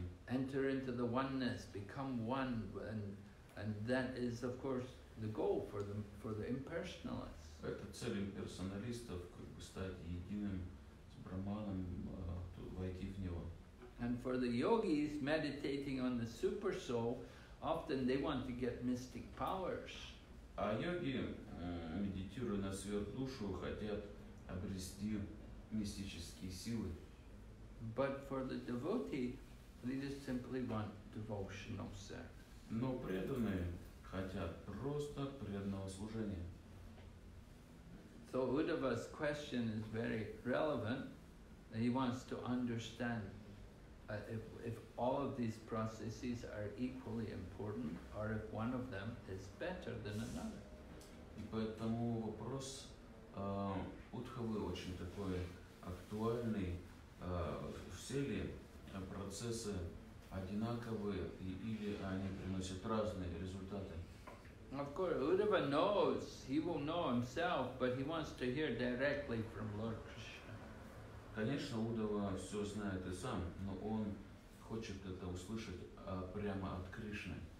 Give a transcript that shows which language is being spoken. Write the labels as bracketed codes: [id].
[en] Enter into the oneness, become one, and that is, of course, the goal for the impersonalists. [ru] Это цель имперсоналистов, как бы стать единым с Брахманом, войти в него. [en] And for the yogis meditating on the super soul, often they want to get mystic powers. [ru] А йоги, медитируя на сверхдушу, хотят обрести мистические силы. [en] But for the devotee, they just simply want devotional service. [ru] Но преданные хотят просто преданного служения. [en] So Uddhava's question is very relevant. He wants to understand if all of these processes are equally important, or if one of them is better than another. [ru] И поэтому вопрос Уддхавы очень такой актуальный. Все ли процессы одинаковые или они приносят разные результаты? [en] Of course, Uddhava knows, he will know himself, but he wants to hear directly from Lord Krishna. [ru] Конечно, Уддхава все знает и сам, но он хочет это услышать прямо от Кришны.